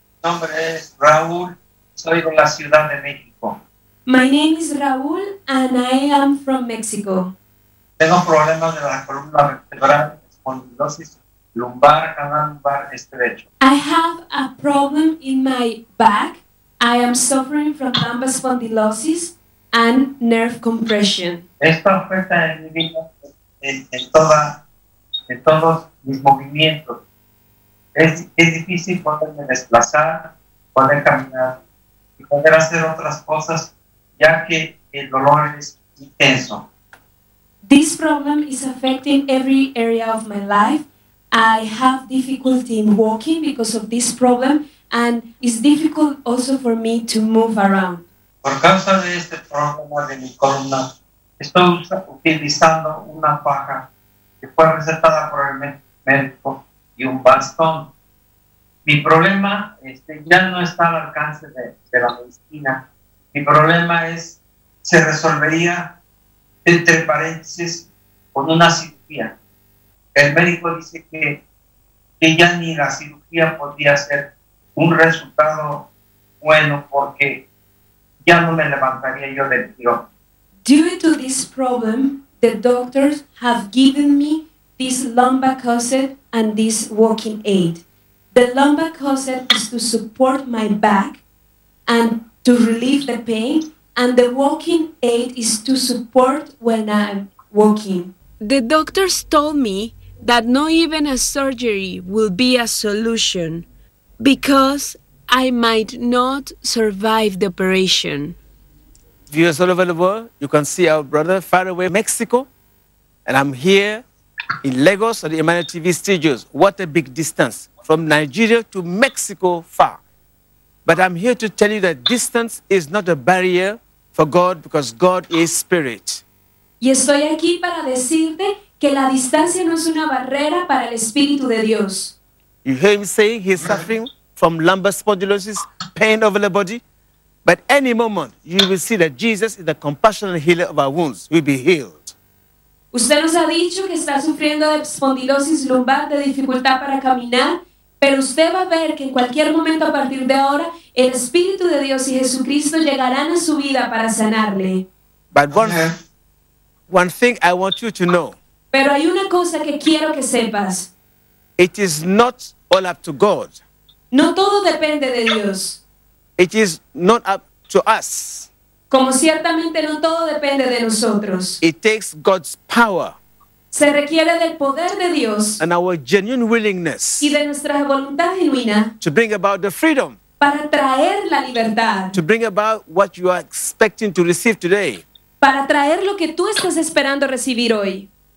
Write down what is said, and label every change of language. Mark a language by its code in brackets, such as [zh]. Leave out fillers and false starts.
[es] Mi nombre es Raúl, soy de la Ciudad de México. [en] My name is Raúl and I am from Mexico. [es] Tengo problemas de la columna vertebral, espondilosis lumbar, canal lumbar estrecho. [en] I have a problem in my back. I am suffering from lumbar spondylosis and nerve compression. [es] Esto afecta en mi vida en todos mis movimientos. Es difícil poderme desplazar, poder caminar y poder hacer otras cosas, ya que el dolor es intenso. [en] This problem is affecting every area of my life. I have difficulty in walking because of this problem, and it's difficult also for me to move around. [es] Por causa de este problema de mi columna, estoy utilizando una faja que fue recetada por el médico. Y un bastón. Mi problema ya no está al alcance de la medicina. Mi problema es, se resolvería, entre paréntesis, con una cirugía. El médico dice que ya ni la cirugía podría ser un resultado bueno porque ya no me levantaría yo del tirón. [en] Due to this problem, the doctors have given me this lumbar corset and this walking aid. The lumbar corset is to support my back and to relieve the pain, and the walking aid is to support when I'm walking. The doctors told me that not even a surgery will be a solution because I might not survive the operation. Viewers all over the world, you can see our brother far away, Mexico, and I'm here in Lagos, at the Emmanuel TV studios. What a big distance from Nigeria to Mexico far. But I'm here to tell you that distance is not a barrier for God because God is spirit. [es] Y estoy aquí para decirte que la distancia no es una barrera para el Espíritu de Dios. [en] You hear him saying he's suffering from lumbar spondylosis, pain over the body. But any moment you will see that Jesus is the compassionate healer of our wounds. We'll be healed. [es] Usted nos ha dicho que está sufriendo de espondilosis lumbar, de dificultad para caminar, pero usted va a ver que en cualquier momento a partir de ahora, el Espíritu de Dios y Jesucristo llegarán a su vida para sanarle. [en] But one thing I want you to know. [es] Pero hay una cosa que quiero que sepas. [en] It is not all up to God. [es] No todo depende de Dios. [en] It is not up to us. [es] Como ciertamente no todo depende de nosotros. [en] It takes God's power. [es] Se requiere del poder de Dios. [en] And our genuine willingness. [es] Y de nuestra voluntad genuina. [en] To bring about the freedom. [es] Para traer la libertad. [en] To bring about what you are expecting to receive today. [es] Para traer lo que tú estás esperando recibir hoy.